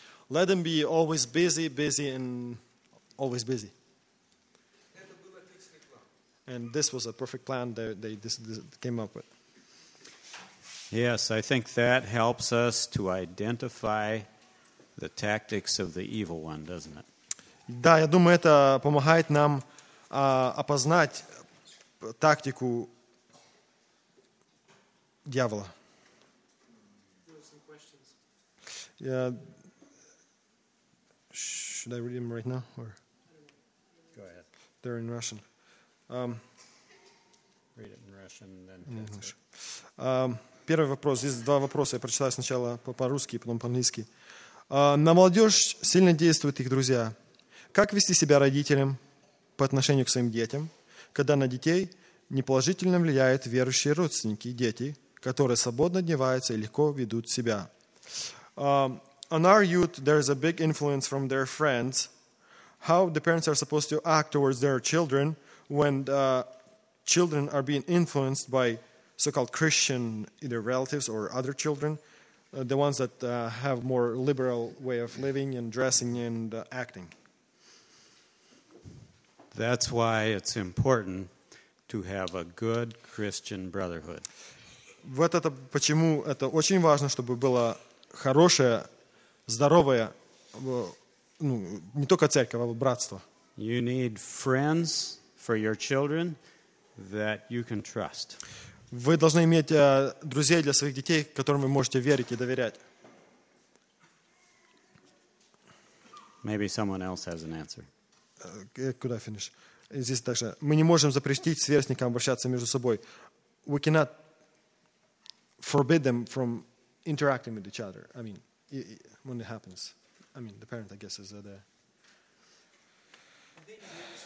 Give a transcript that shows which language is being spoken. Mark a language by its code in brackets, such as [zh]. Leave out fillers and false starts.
[en] Let them be always busy, busy, and always busy. And this was a perfect plan that they came up with. Yes, I think that helps us to identify the tactics of the evil one, doesn't it? [ru] Да, я думаю, это помогает нам опознать тактику дьявола. [en] Should I read them right now, or go ahead? They're in Russian. Read it in Russian, then in English. [ru] Первый вопрос. Здесь два вопроса. Я прочитаю сначала по-русски, потом по-английски. На молодежь сильно действуют их друзья. Как вести себя родителям по отношению к своим детям, когда на детей неположительно влияют верующие родственники, дети, которые свободно одеваются и легко ведут себя? [en] On our youth, there is a big influence from their friends. How the parents are supposed to act towards their children when the children are being influenced by so-called Christian, either relatives or other children, the ones that have more liberal way of living and dressing and acting. That's why it's important to have a good Christian brotherhood. [ru] Вот это почему это очень важно, чтобы было хорошее, здоровое, ну, не только церковь, а братство. [en] You need friends for your children that you can trust. [ru] Вы должны иметь друзей для своих детей, которым вы можете верить и доверять. [en] Maybe someone else has an answer. [ru] Куда финиш? Здесь также. Мы не можем запретить сверстникам обращаться между собой. [en] We cannot forbid them from interacting with each other. I mean, when it happens. I mean, the parent, I guess, is there. I think the answer of asking a question, can we forbid them?